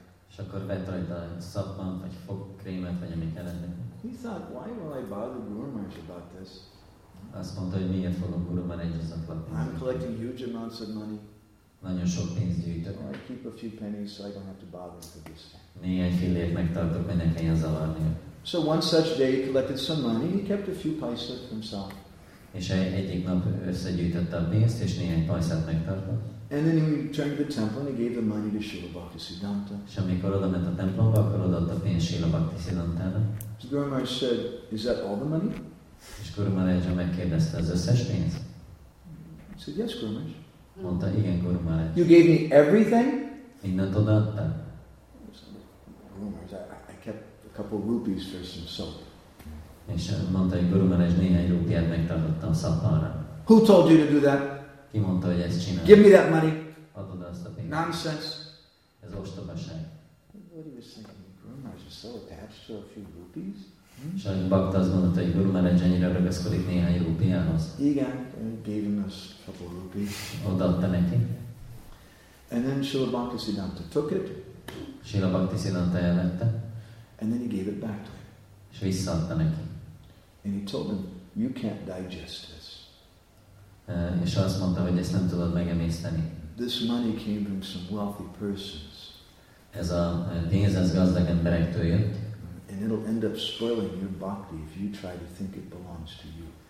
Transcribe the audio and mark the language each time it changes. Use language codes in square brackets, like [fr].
[hu] És akkor vett rajta szappant, vagy fogkrémet, vagy amit kellene. [en] He thought, why will I bother Guru Maharaj about this? [hu] Azt mondta, hogy miért fogom Guru Maharajhoz lakni. [en] I'm collecting huge amounts of money. [hu] Nagyon sok pénzt gyűjtök. [en] I keep a few pennies, so I don't have to bother for this. [hu] Néhány fillért megtartok, hogy ne kelljen zavarni. [en] So one such day he collected some money, he kept a few paisa for himself. [hu] És egyik nap összegyűjtötte a pénzt, és néhány pajzsát megtartott. [en] And then he returned to the temple and he gave the money to Srila Bhaktisiddhanta. [hu] És amikor oda ment a templomba, akkor odaadta a pénzt Srila Bhaktisiddhantának. [en] So Guru Maharaj said, is that all the money? [hu] És Guru Maharaj megkérdezte, az összes pénz? [en] He said, yes, Guru Maharaj. [hu] Mondta, igen, Guru Maharaj. [en] You gave me everything? [hu] Mindent odaadta. [en] Guru Maharaj, I kept a couple rupees for some soap. [hu] És mondta, hogy Guru Maharaj néhány rúpiát megtartottam szappanra. [en] Who told you to do that? [hu] Ki mondta, hogy ezt csinálod? [en] Give me that money. [hu] Adod azt a pénzt. [en] Nonsense. [hu] Ez ostobaság. [en] What are you thinking? Guru Maharaj is so attached to a few rupees? [hu] És a bakta azt mondta, hogy Guru Maharaj ennyire ragaszkodik néhány rúpiához. Igen. [en] And gave him a couple rupees. [hu] Odaadta neki. [en] And then Srila Bhaktisiddhanta took it. [hu] Srila Bhaktisiddhanta elvette. [en] And then he gave it back to him. [hu] És visszaadta neki. [en] And he told him, you can't digest this. [hu] És azt mondta, hogy ezt nem tudod megemészteni. [en] This money came from some wealthy persons. [hu] Ez a pénz az gazdag emberektől jött. [en] And it'll end up spoiling your bhakti if you try to think it belongs to you.